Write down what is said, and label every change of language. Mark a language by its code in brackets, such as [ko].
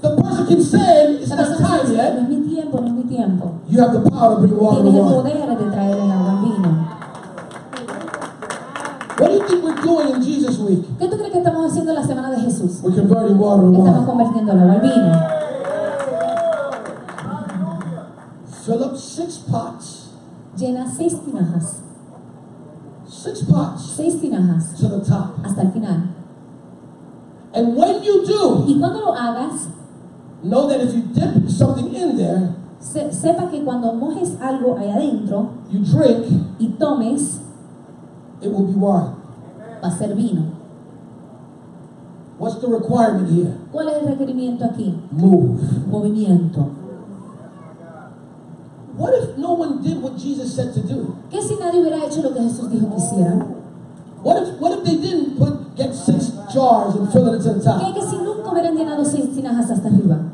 [en] the person can say, it's not time yet. [es] No es mi tiempo, no es mi tiempo. [en] You have the power to bring water and wine. [es] Tienes el poder de traer el agua al vino. [en] What do you think we're doing in Jesus Week? [es] ¿Qué tú crees que estamos haciendo la semana de Jesús? [en] We're converting water and wine. [es] Estamos convirtiendo el agua al vino. [en] Fill up 6 pots. [es] Llena 6 tinajas. [en] 6 pots. [es] 6 tinajas. [en] To the top. [es] Hasta el final. [en] And when you do, [es] y cuando lo hagas, [en] know that if you dip something in there, [es] sepa que cuando mojes algo ahí adentro, [en] you drink, [es] y tomes, [en] it will be wine. [es] Va a ser vino. [en] What's the requirement here? [es] ¿Cuál es el requerimiento aquí? [en] Move. [es] Movimiento. [en] What if no one did what Jesus said to do? [es] ¿Qué si nadie hubiera hecho lo que Jesús dijo que hiciera? [en] What if they didn't get 6 jars and fill it to the top? [es] ¿Qué si nunca hubieran llenado 6 tinajas hasta arriba?